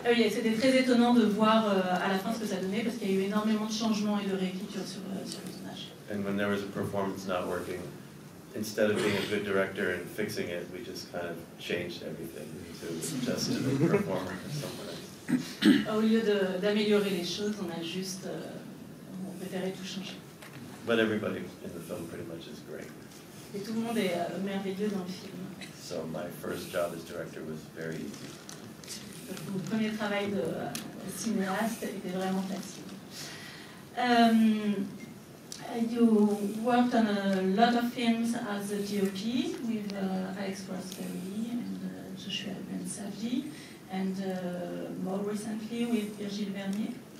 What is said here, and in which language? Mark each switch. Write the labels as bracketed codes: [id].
[fr] Oh yeah, c'était très étonnant de voir à la fin ce que ça donnait parce qu'il y a eu énormément de changements et de réécritures sur le tournage. [en] And when there was a performance not working. Instead of being a good director and fixing it, we just kind of changed everything to just a performer or someone else. [fr] Au lieu d'améliorer les choses, on a juste on préférait tout changer. [en] But everybody in the film pretty much is great. [fr] Et tout le monde est merveilleux dans le film. [en] So my first job as director was very easy. [fr] Mon premier travail de cinéaste était vraiment facile. [en] You worked on a lot of films as a DOP with Alex Rosberry and Joshua Ben Savji, and more recently with Virgil Vernier.